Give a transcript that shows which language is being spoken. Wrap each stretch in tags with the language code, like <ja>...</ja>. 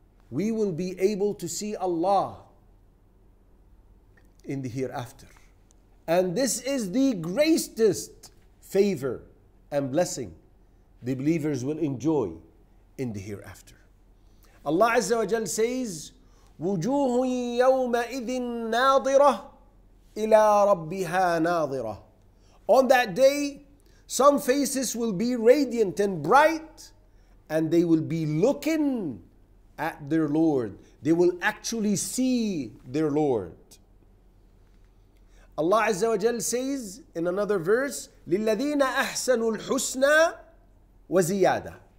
<en>We will be able to see Allah in the hereafter. And this is the greatest favor and blessing the believers will enjoy in the hereafter. Allah Azza wa Jal says,</en> <ar>وجوه يومئذ ناظرة إلى ربها ناظرة.</ar> <en>On that day, some faces will be radiant and bright, and they will be looking at their Lord. They will actually see their Lord. Allah Azza wa Jal says in another verse,</en> <ar>للذين أحسنوا الحسنى وزيادة.</ar>